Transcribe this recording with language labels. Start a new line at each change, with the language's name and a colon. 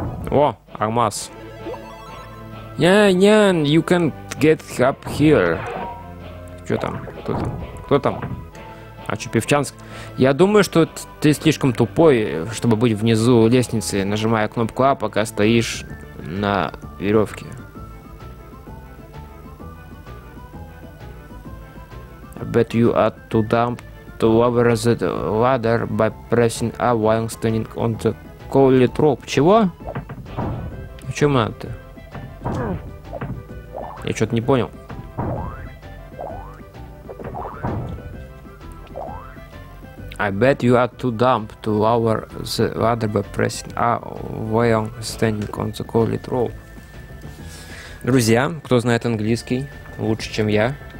Russian: О, алмаз. Нян,
English: you can't get up here.
Russian: Чё там? Кто там? Кто там? А чё, Певчанск? Я думаю, что ты слишком тупой, чтобы быть внизу лестницы, нажимая кнопку А, пока стоишь на веревке.
English: I bet you are too dumb to lower the ladder by pressing A while standing on the coiled rope.
Russian: Чего? О чём это? Я чё-то не понял.
English: I bet you are too dumb to lower the ladder by pressing A while standing on the coiled rope.
Russian: Друзья, кто знает английский лучше, чем я?